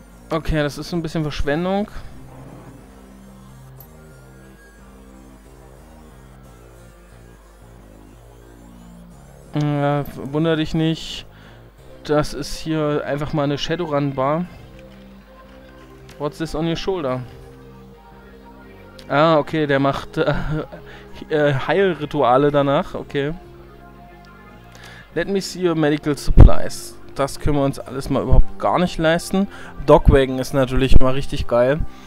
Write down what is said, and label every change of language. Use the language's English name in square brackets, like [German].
[German] Okay, das ist so ein bisschen Verschwendung. Ja, wunder dich nicht. Das ist hier einfach mal eine Shadowrun-Bar. [English] What's this on your shoulder? [German] Ah, okay, der macht Heilrituale danach. Okay. [English] Let me see your medical supplies. [German] Das können wir uns alles mal überhaupt gar nicht leisten. Dogwagon ist natürlich mal richtig geil.